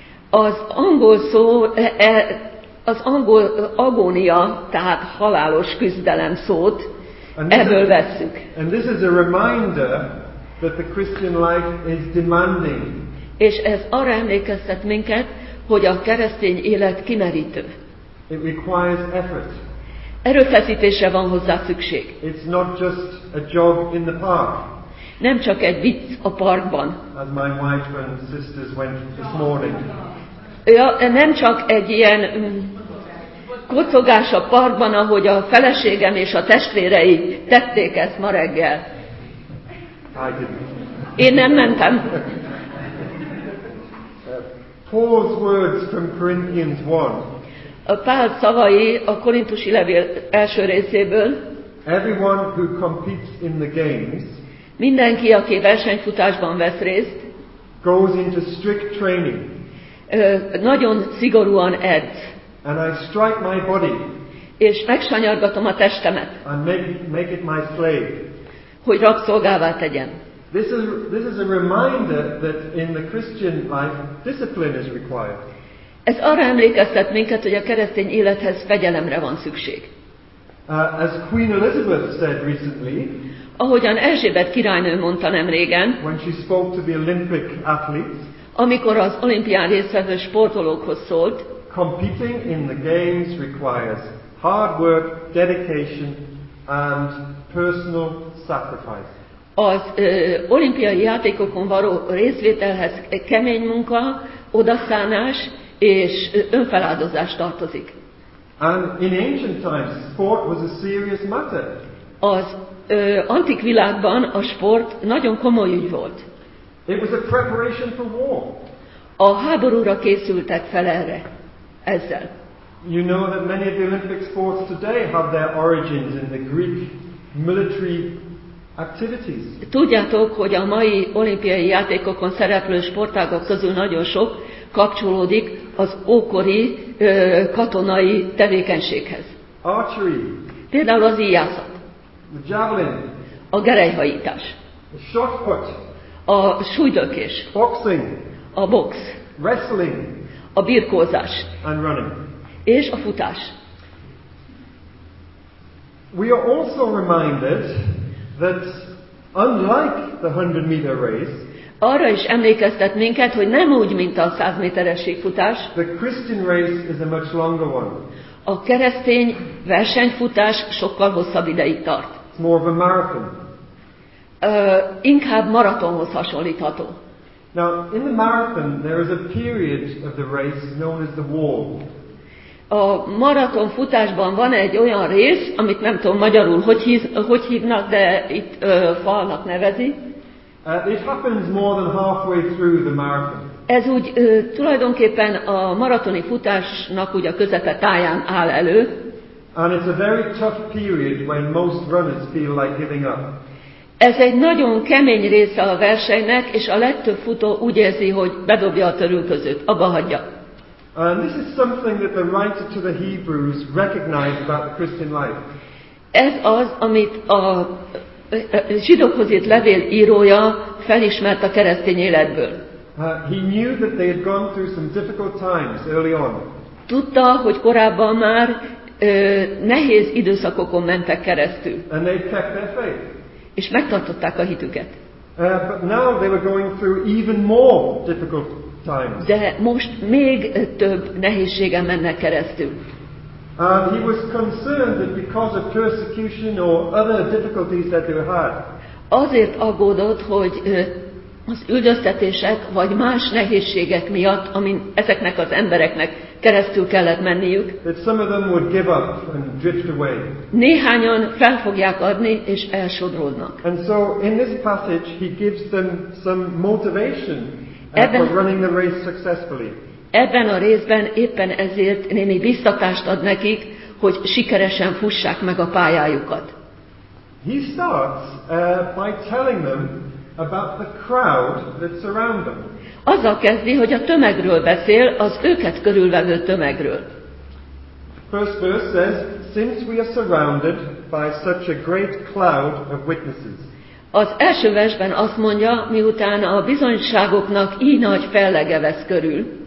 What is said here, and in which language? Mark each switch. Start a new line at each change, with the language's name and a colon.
Hungarian: Az angol agónia, tehát halálos küzdelem szót ebből vesszük.
English: And this is a reminder that the Christian life is demanding.
Hungarian: És ez arra emlékeztet minket, hogy a keresztény élet kimerítő.
English: It requires effort.
Hungarian: Erőfeszítésre van hozzá szükség.
English: It's not just a jog in the park.
Hungarian: Nem csak egy vicc a parkban.
English: As my wife and sisters went this morning.
Hungarian: Ja, nem csak egy ilyen kocogás a parkban, ahogy a feleségem és a testvérei tették ezt ma reggel.
English: I didn't.
Hungarian: Én nem mentem.
English: Paul's words from Corinthians 1.
Hungarian: A Pál szavai a Korintusi levél első részéből.
English: Everyone who competes in the games.
Hungarian: Mindenki, aki versenyfutásban vesz részt,
English: goes into strict training.
Hungarian: Nagyon szigorúan edz.
English: And I strike my body.
Hungarian: És megsanyargatom a testemet.
English: And make it my slave.
Hungarian: Hogy rabszolgává tegyem.
English: This is a reminder that in the Christian life discipline is required.
Hungarian: Ez arra emlékeztet minket, hogy a keresztény élethez fegyelemre van szükség.
English: As Queen Elizabeth said recently,
Hungarian: ahogyan Erzsébet királynő mondta nemrégen,
English: when she spoke to the Olympic athletes,
Hungarian: amikor az olimpián résztvevő sportolókhoz szólt,
English: competing in the games requires hard work, dedication and personal sacrifice.
Hungarian: Az olimpiai játékokon való részvételhez kemény munka, odaszánás és önfeláldozás tartozik.
English: And in ancient times, sport was a serious matter.
Hungarian: Az antik világban a sport nagyon komoly ügy volt.
English: It was a preparation for war.
Hungarian: A háborúra készültek fel erre, ezzel.
English: You know that many of the Olympic sports today have their origins in the Greek military activities.
Hungarian: Tudjátok, hogy a mai olimpiai játékokon szereplő sportágok közül nagyon sok kapcsolódik az ókori katonai tevékenységhez.
English: Archery.
Hungarian: Például az íjászat.
English: The javelin.
Hungarian: A gerelyhajítás.
English: The shot put.
Hungarian: A súlydökés.
English: Boxing.
Hungarian: A box.
English: Wrestling.
Hungarian: A birkózás.
English: And running.
Hungarian: És a futás.
English: We are also reminded that unlike the 100 meter race,
Hungarian: arra is emlékeztet minket, hogy nem úgy, mint a 100 méteres futás.
English: The Christian race is a much longer one.
Hungarian: A keresztény versenyfutás sokkal hosszabb ideig tart.
English: It's more of a marathon.
Hungarian: Inkább maratonhoz hasonlítható.
English: Now, in the marathon there is a period of the race known as the wall.
Hungarian: A maraton futásban van egy olyan rész, amit nem tudom magyarul, hogy hívnak, de itt falnak nevezi.
English: It happens more than halfway through the marathon.
Hungarian: Ez úgy tulajdonképpen a maratoni futásnak úgy a közepe táján áll elő.
English: And it's a very tough period when most runners feel like giving up.
Hungarian: Ez egy nagyon kemény része a versenynek, és a legtöbb futó úgy érzi, hogy bedobja a törülközőt, abba hagyja.
English: And this is something that the writer to the Hebrews recognized about the Christian life.
Hungarian: Ez az, amit a zsidókhoz írt levél írója felismert a keresztény életből.
English: He knew that they had gone through some difficult times early on.
Hungarian: Tudta, hogy korábban már nehéz időszakokon mentek keresztül.
English: And they kept their faith.
Hungarian: És megtartották a hitüket.
English: But now they were going through even more difficult times.
Hungarian: De most még több nehézségen mennek keresztül.
English: He was concerned that because of persecution or other difficulties that they had.
Hungarian: Azért aggódott, hogy az üldöztetések vagy más nehézségek miatt, amin ezeknek az embereknek keresztül kellett menniük.
English: That some of them would give up and drift away.
Hungarian: Néhányan fel fogják adni és elsodródnak.
English: And so in this passage he gives them some motivation for running the race successfully.
Hungarian: Ebben a részben éppen ezért némi biztatást ad nekik, hogy sikeresen fussák meg a pályájukat.
English: He starts by telling them about the crowd that surround them.
Hungarian: Azzal kezdi, hogy a tömegről beszél, az őket körülvevő tömegről.
English: First verse says, since we are surrounded by such a great cloud of witnesses.
Hungarian: Az első versben azt mondja, miután a bizonyságoknak így nagy fellege vesz körül.